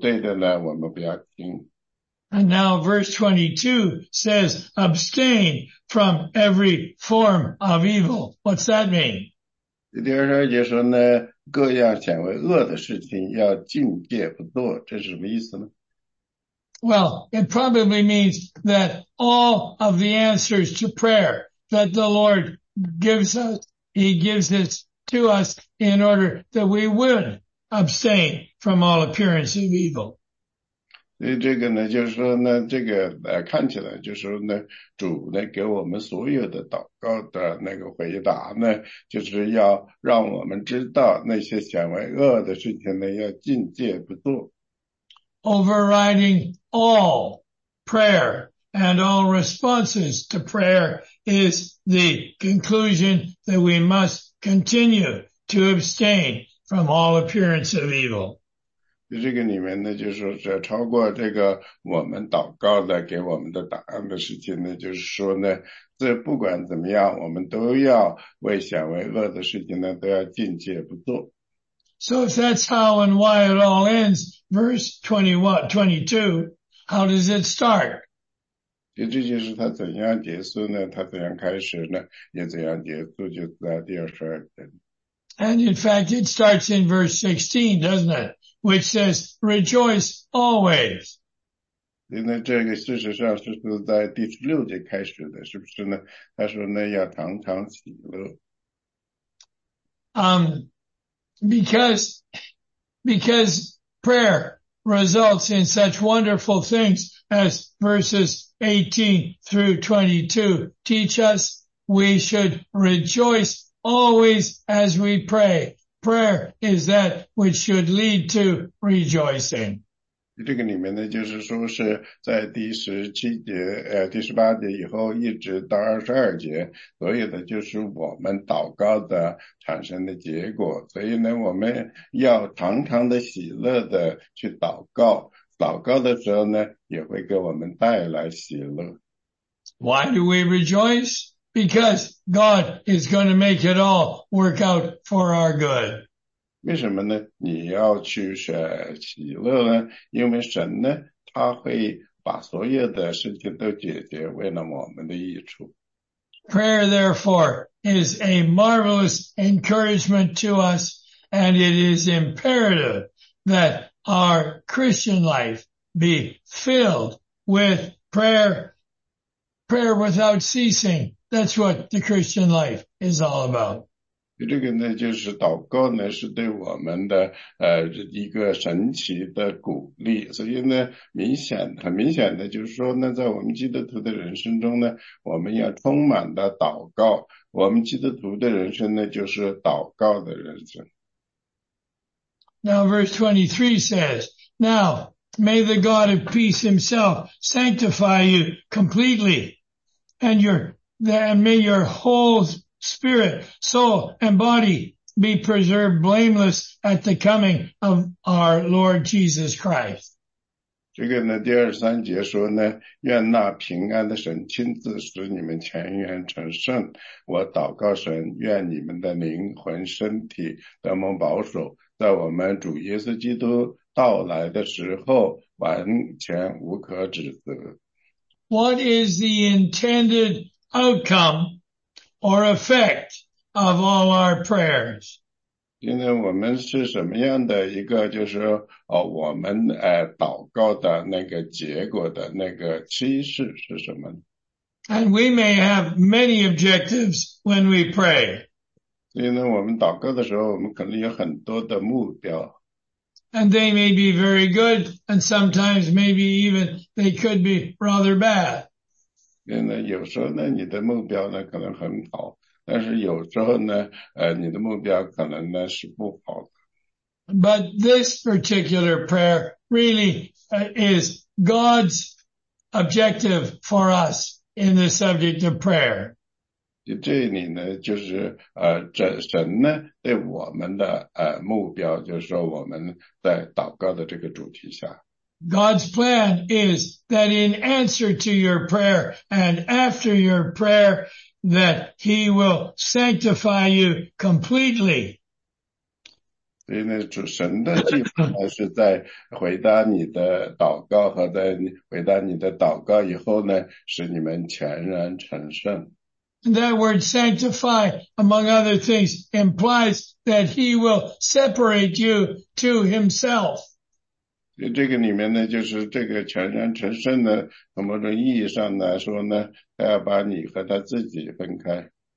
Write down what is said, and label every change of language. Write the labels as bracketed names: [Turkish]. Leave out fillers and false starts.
[Chinese] 现在我们也要这样去查验，查验他们所说的那是不是就是说我们对神对我们祷告的回答是对的错的，所以我们要对他们那样的分析呢要保持就善美的要持守那个不对的呢我们不要听。 [English] And now verse 22 says, abstain from every form of evil. What's that mean? [Chinese] 第二章节说呢，各样显为恶的事情要禁戒不做，这是什么意思呢？ [English] Well, it probably means that all of the answers to prayer that the Lord gives us, He gives it to us in order that we would abstain from all appearance of evil. [Chinese] 所以这个呢，就是说呢，这个看起来就是说呢，主呢给我们所有的祷告的那个回答呢，就是要让我们知道那些显为恶的事情呢，要禁戒不做。 [English] Overriding all prayer and all responses to prayer is the conclusion that we must continue to abstain from all appearance of evil. [Chinese] 这个里面呢，就是说，超过这个我们祷告的给我们的答案的事情呢，就是说呢，这不管怎么样，我们都要为想为恶的事情呢，都要禁戒不做。 [English] So if that's how and why it all ends, verse 21, 22, how does it start? [Chinese] 其实这就是他怎样结束呢？他怎样开始呢？也怎样结束？就在第22节。 [English] And in fact, it starts in verse 16, doesn't it? Which says, rejoice always. [Chinese] 那这个事实上是在第16节开始的，是不是呢？他说呢，要常常喜乐。 [English] Because prayer results in such wonderful things as verses 18 through 22 teach us, we should rejoice always as we pray. Prayer is that which should lead to rejoicing. [Chinese] 这个里面呢，就是说是在第十七节，第十八节以后，一直到二十二节，所有的就是我们祷告的产生的结果。所以呢，我们要常常的喜乐的去祷告，祷告的时候呢，也会给我们带来喜乐。 [English] Why do we rejoice? Because God is going to make it all work out for our good. [Chinese] 为什么呢？你要去喜乐呢？因为神呢，他会把所有的事情都解决，为了我们的益处。 [English] Prayer, therefore, is a marvelous encouragement to us, and it is imperative that our Christian life be filled with prayer, prayer without ceasing. That's what the Christian life is all about. [Chinese] 这个呢，就是祷告呢，是对我们的一个神奇的鼓励。所以呢，很明显的就是说呢，在我们基督徒的人生中呢，我们要充满的祷告。我们基督徒的人生呢，就是祷告的人生。 [English] Now verse 23 says, Now may the God of peace himself sanctify you completely, and may your whole spirit, soul, and body be preserved blameless at the coming of our Lord Jesus Christ. [Chinese] 这个呢，第二三节说呢，愿那平安的神亲自使你们全然成圣。我祷告神，愿你们的灵魂、身体得蒙保守，在我们主耶稣基督到来的时候完全无可指责。 [English] What is the intended outcome or effect of all our prayers? [Chinese] 今天我们是什么样的一个就是我们祷告的那个结果的那个趋势是什么？ [English] And we may have many objectives when we pray. [Chinese] 所以呢，我们祷告的时候，我们可能有很多的目标。 [English] And they may be very good, and sometimes maybe even they could be rather bad. [Chinese] 有时候呢，你的目标呢可能很好，但是有时候呢，你的目标可能呢是不好的。 [English] But this particular prayer really is God's objective for us in the subject of prayer. [Chinese] 这里呢，就是神呢对我们的目标，就是说我们在祷告的这个主题下。 [English] God's plan is that in answer to your prayer and after your prayer, that he will sanctify you completely. [Chinese] 所以呢，主神的计划是在回答你的祷告和在回答你的祷告以后呢，使你们全然成圣。 [English] That word sanctify, among other things, implies that he will separate you to himself. [Chinese] 这个里面呢，就是这个全然成圣呢，从某种意义上来说呢，他要把你和他自己分开。